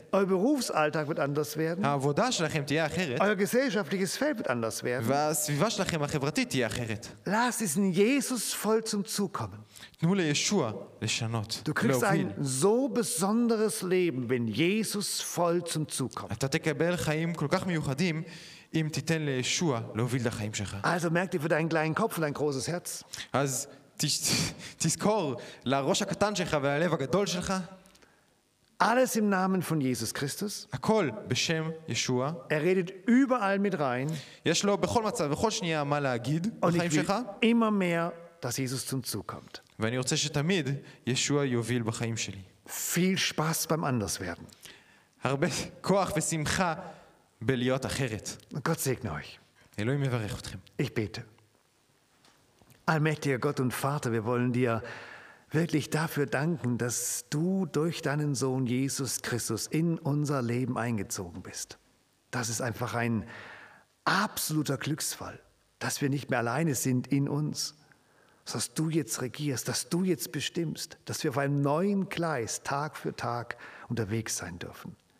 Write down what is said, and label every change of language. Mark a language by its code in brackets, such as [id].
[de] Euer Berufsalltag wird anders werden. Euer gesellschaftliches Feld wird anders werden. Lass es in Jesus voll zum Zug kommen. [he] תנו לישוע לשנות, [de] du kriegst ein so besonderes Leben, wenn Jesus voll zum Zug kommt. [he] אתה תקבל חיים כל כך מיוחדים, אם תיתן לישוע להוביל את החיים שלך. [de] Also merk dir für deinen kleinen Kopf und dein großes Herz. [he] אז תזכור לראש הקטן שלך והלב הגדול שלך. [de] Alles im Namen von Jesus Christus. [he] הכל בשם ישוע. [de] Er redet überall mit rein. [he] יש לו בכל מצב, בכל שנייה מה להגיד בחיים שלך. [de] Und ich will immer mehr, dass Jesus zum Zug kommt. [he] ואני רוצה שתמיד ישוע יוביל בחיים שלי. [de] Viel Spaß beim Anderswerden. [he] הרבה כוח ושמחה בלהיות אחרת. [de] Gott segne euch. [he] אלוהים יברך אתכם. [de] Ich bete. Allmächtiger Gott und Vater, wir wollen dir wirklich dafür danken, dass du durch deinen Sohn Jesus Christus in unser Leben eingezogen bist. Das ist einfach ein absoluter Glücksfall, dass wir nicht mehr alleine sind in uns, dass du jetzt regierst, dass du jetzt bestimmst, dass wir auf einem neuen Gleis Tag für Tag unterwegs sein dürfen.